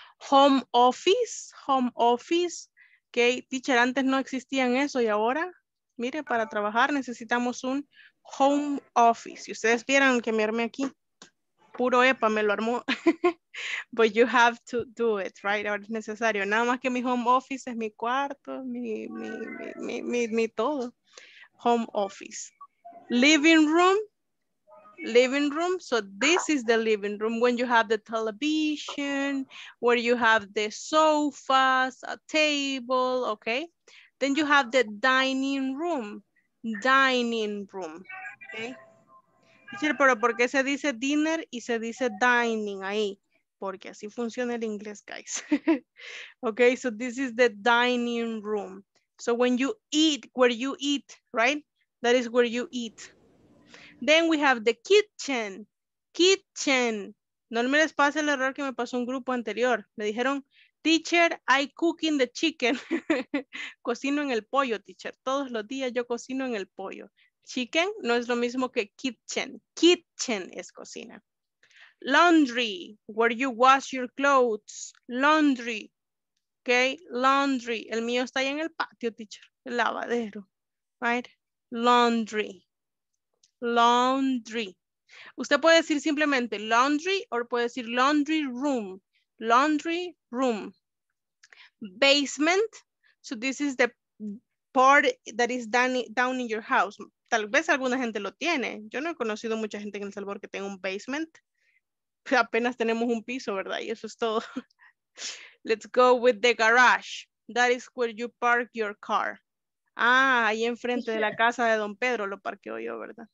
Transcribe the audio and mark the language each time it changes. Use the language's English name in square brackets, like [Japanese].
[Spanish] Home office, ok, teacher, antes no existían eso y ahora, mire, para trabajar necesitamos un home office. Si ustedes vieran que me armé aquí, puro EPA me lo armó, [English] but you have to do it, right? [Spanish] Ahora es necesario, nada más que mi home office es mi cuarto, mi todo, home office. [English] Living room, so this is the living room, when you have the television, where you have the sofas, a table, okay? Then you have the dining room, okay? [Spanish] Pero ¿por qué se dice dinner y se dice dining ahí? Porque así funciona el inglés, guys. [English] Ok, so this is the dining room. So when you eat, where you eat, right? That is where you eat. Then we have the kitchen. [Spanish] Kitchen. No me les pase el error que me pasó un grupo anterior. Me dijeron [English] Teacher, I cook in the chicken. [Spanish] Cocino en el pollo, teacher. Todos los días yo cocino en el pollo. Chicken no es lo mismo que kitchen. Kitchen es cocina. [English] Laundry, where you wash your clothes. Laundry. Okay, laundry. [Spanish] El mío está ahí en el patio, teacher. El lavadero. Right? Laundry. [English] Laundry. [Spanish] Usted puede decir simplemente laundry o puede decir laundry room. [English] Laundry room. Basement. So this is the part that is down in your house. [Spanish] Tal vez alguna gente lo tiene. Yo no he conocido mucha gente en El Salvador que tenga un basement. Apenas tenemos un piso, ¿verdad? Y eso es todo. [English] Let's go with the garage. That is where you park your car. [Spanish] Ah, ahí enfrente de la casa de Don Pedro lo parqueo yo, ¿verdad?